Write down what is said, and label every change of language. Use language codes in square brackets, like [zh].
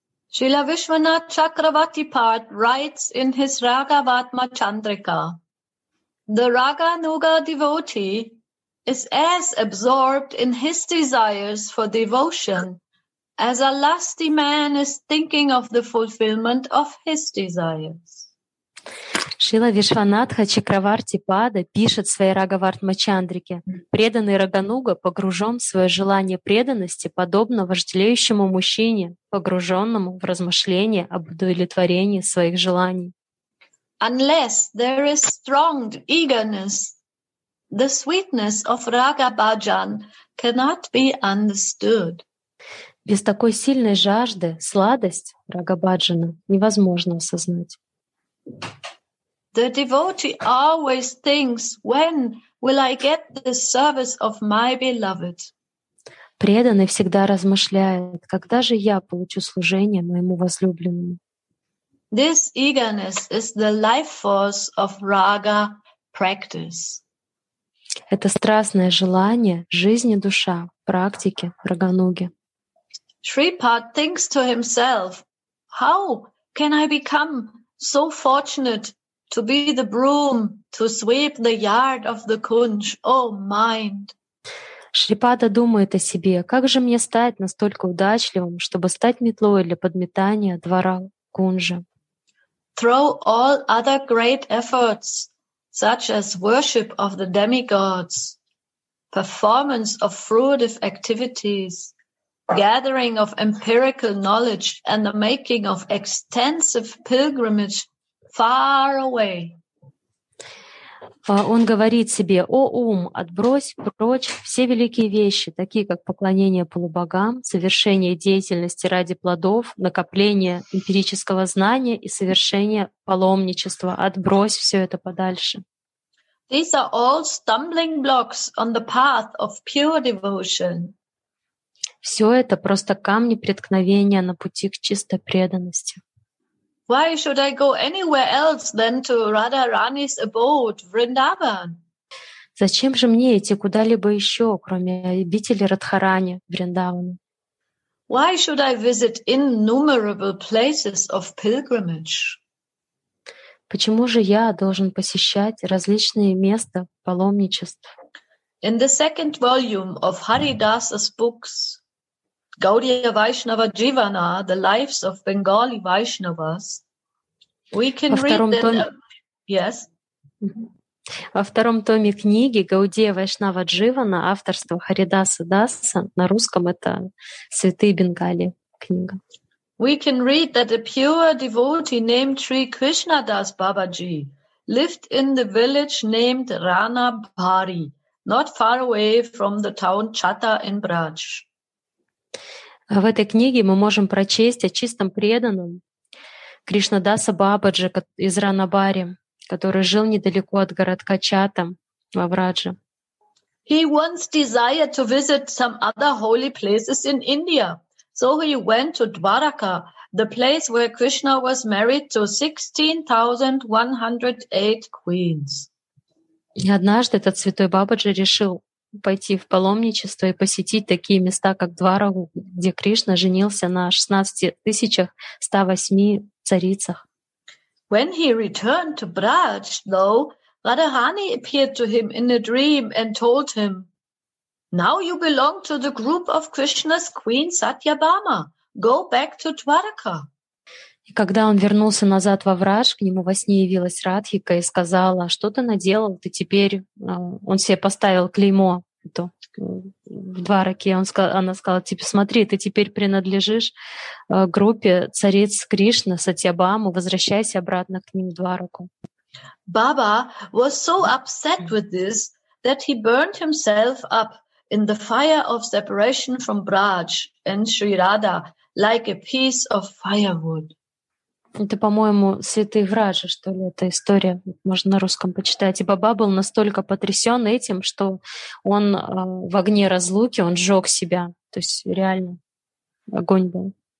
[en] Srila Vishwanath Chakravarti Pat writes in his Raghavatma Chandrika, the Raghanuga devotee is as absorbed in his desires for devotion as a lusty man is thinking of the fulfillment of his desires. [ru] Шрила Вишванатха Чакраварти Пада пишет своей Рагавартмачандрике: «Преданный Рагануга погружен в свое желание преданности, подобно вожделеющему мужчине, погруженному в размышления об удовлетворении своих желаний». [en] Unless there is strong eagerness, the sweetness of Raga Bhajan cannot be understood. [ru] Без такой сильной жажды сладость Рага Бхаджана невозможно осознать. [en] The devotee always thinks, when will I get the service of my beloved? [ru] Преданный всегда размышляет, когда же я получу служение моему возлюбленному. [en] This eagerness is the life force of Raga practice. [ru] Это страстное желание жизни душа в практике Рагануги. [en] Shripad thinks to himself, how can I become so fortunate to be the broom to sweep the yard of the Kunj, O mind? [ru] Шрипада думает о себе, как же мне стать настолько удачливым, чтобы стать метлой для подметания двора Кунжа? [en] Throw all other great efforts, such as worship of the demigods, performance of fruitive activities, gathering of empirical knowledge and the making of extensive pilgrimage far away. [ru] Он говорит себе: «О ум, отбрось прочь все великие вещи, такие как поклонение полубогам, совершение деятельности ради плодов, накопление эмпирического знания и совершение паломничества. Отбрось все это подальше». [en] These are all stumbling blocks on the path of pure devotion. [ru] Все это просто камни преткновения на пути к чистой преданности. [en] Why should I go anywhere else than to Radharani's abode, Vrindavan? [ru] Зачем же мне идти куда-либо еще, кроме обители Радхарани, Вриндавана? [en] Why should I visit innumerable places of pilgrimage? [ru] Почему же я должен посещать различные места паломничеств? [en] In the second volume of Haridasa's books, Gaudiya Vaishnava Jivana, The Lives of Bengali Vaishnavas, we can read them. Yes. [ru] Во втором томе книги Гаудия Вайшнава Дживана, авторство Харидаса Даса, на русском это Святые Бенгали книга. [en] We can read that a pure devotee named Sri Krishna Das Babaji lived in the village named Rana Bhari, not far away from the town Chata in Braj. [ru] В этой книге мы можем прочесть о чистом преданном Кришнадаса Бабаджи из Ранабари, который жил недалеко от городка Чата во Врадже. [en] He once desired to visit some other holy places in India, so he went to Dwaraka, the place where Krishna was married to 16,108 queens. [ru] И однажды этот святой Бабаджи решил пойти в паломничество и посетить такие места, как Дварагу, где Кришна женился на 16108 царицах. [en] When he returned to Braj, though, Radharani appeared to him in a dream and told him, now you belong to the group of Krishna's queen Satyabhama. Go back to Dwaraka. [ru] И когда он вернулся назад во Враж, к нему во сне явилась Радхика и сказала: что ты наделал? Ты теперь... Он себе поставил клеймо в Двараке. Она сказала: типа, смотри, ты теперь принадлежишь группе цариц Кришны, Сатьябаму, возвращайся обратно к ним в Двараку. [en] Баба was so upset with this that he burned himself up in the fire of separation from Braj and Sri Radha like a piece of firewood. [ru] Это, по-моему, святые вражи, что ли, эта история. Можно на русском почитать. И Баба был настолько потрясен этим, что он в огне разлуки, он сжег себя. То есть реально огонь был.